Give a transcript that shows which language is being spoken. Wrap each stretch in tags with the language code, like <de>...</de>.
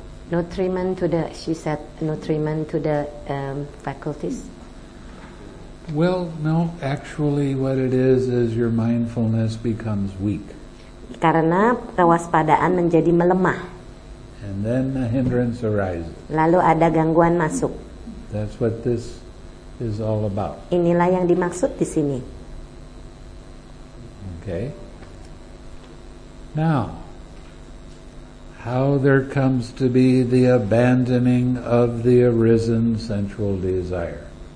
<en>Nutriment to the, she said, nutriment to the faculties? Well, no, actually what it is your mindfulness becomes weak.</en> <id>Karena kewaspadaan menjadi melemah.</id> <en>And then a hindrance arises.</en> <id>Lalu ada gangguan masuk.</id> <en>That's what this is all about.</en> <id>Inilah yang dimaksud di sini.</id> <en>Okay. Now, how there comes to be the abandoning of the arisen sensual desire.</en>